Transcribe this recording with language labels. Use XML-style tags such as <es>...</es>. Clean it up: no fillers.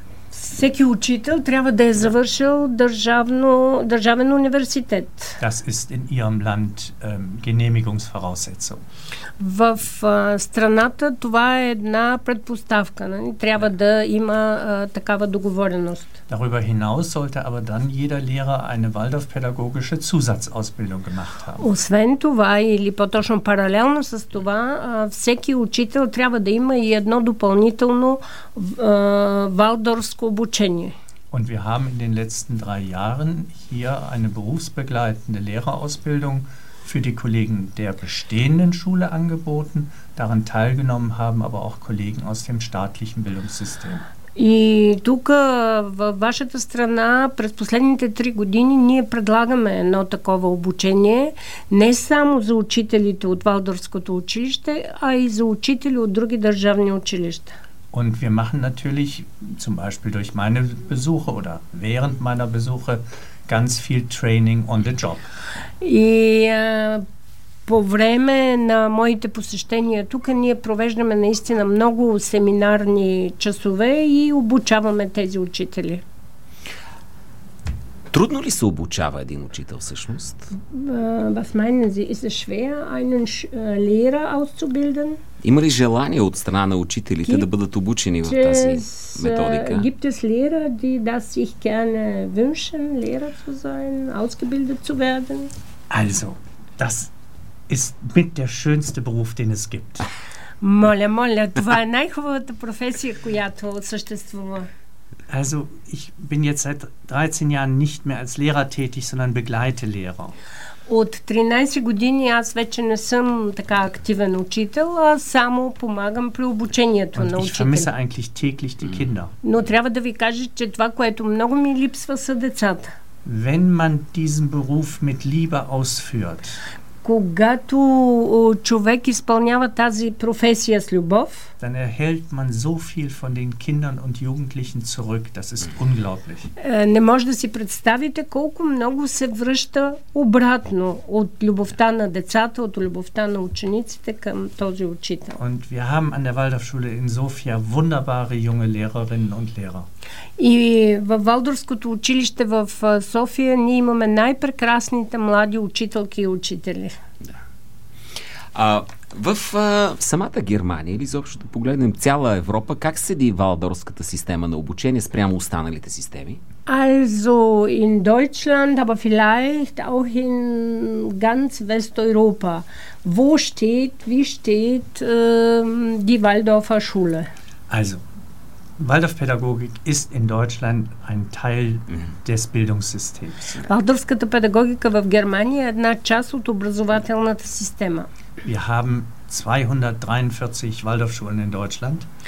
<bg>Всеки учител трябва да е завършил държавен университет.</bg> <de>Das ist in ihrem Land Genehmigungsvoraussetzung.</de> <bg>В страната това е една предпоставка, не? Трябва да има такава договореност.</bg> <de>Darüber hinaus sollte aber dann jeder Lehrer eine waldorfpädagogische Zusatzausbildung gemacht haben.</de> <bg>Освен това или по-точно паралелно с това, всеки учител трябва да има и едно допълнително валдорфско обучение.</bg> <de>Und wir haben in den letzten drei Jahren hier eine berufsbegleitende Lehrerausbildung für die Kollegen der bestehenden Schule angeboten. Daran teilgenommen haben aber auch Kollegen aus dem staatlichen Bildungssystem.</de> <bg>И тук във вашата страна през последните три години ние предлагаме едно такова обучение не само за учителите от Валдорфското училище, а и за учители от други държавни училища.</bg> <de>Und wir machen natürlich zum Beispiel durch meine Besuche oder während meiner Besuche ganz viel</de> <en>Training on the job.</en> <bg>И по време на моите посещения тук ние провеждаме наистина много семинарни часове и обучаваме тези учители. Трудно ли се обучава един учител всъщност?</bg> <de>Was meinen Sie, ist es schwer einen Lehrer auszubilden?</de> <bg>Има ли желание от страна на учителите да бъдат обучени в тази методика?</bg> <de>Gibt es Lehrer, die das sich gerne wünschen, Lehrer zu sein, ausgebildet zu werden? Also, das ist mit der schönste Beruf, den es gibt.</de> <bg>Моля, моля, това е най-хубавата професия, която съществува.</bg> <de>Also, ich bin jetzt seit 13 Jahren nicht mehr als Lehrer tätig, sondern begleite Lehrer.</de> <bg>От 13 години аз вече не съм така активен учител, а само помагам при обучението</bg> <de>und</de> <bg>на учителя.</bg> <de>Ich vermisse eigentlich täglich die Kinder.</de> <bg>Но трябва да ви кажа, че това, което много ми липсва, са децата.</bg> <de>Wenn man diesen Beruf mit Liebe ausführt,</de> <bg>когато човек изпълнява тази професия с любов,</bg> <de>dann erhält man so viel von den Kindern und Jugendlichen zurück. Das ist unglaublich.</de> <bg>Не може да си представите колко много се връща обратно от любовта на децата, от любовта на учениците към този учител.</bg> <de>Und wir haben an der Waldorfschule in Sofia wunderbare junge Lehrerinnen und Lehrer.</de> <bg>И във Валдорфското училище в София ние имаме най-прекрасните млади учителки и учители. В самата Германия или изобщо да погледнем цяла Европа, как седи валдорфската система на обучение спрямо останалите системи?</bg> <de>Also in Deutschland, aber vielleicht auch in ganz Westeuropa. Wo steht, wie steht die Waldorfer Schule? Also, Waldorfpädagogik ist in Deutschland ein Teil des Bildungssystems.</de> <bg>Waldorfската педагогика в Германия е една част от образователната система.</bg> <de>Wir haben 243 Waldorfschulen in Deutschland.</de>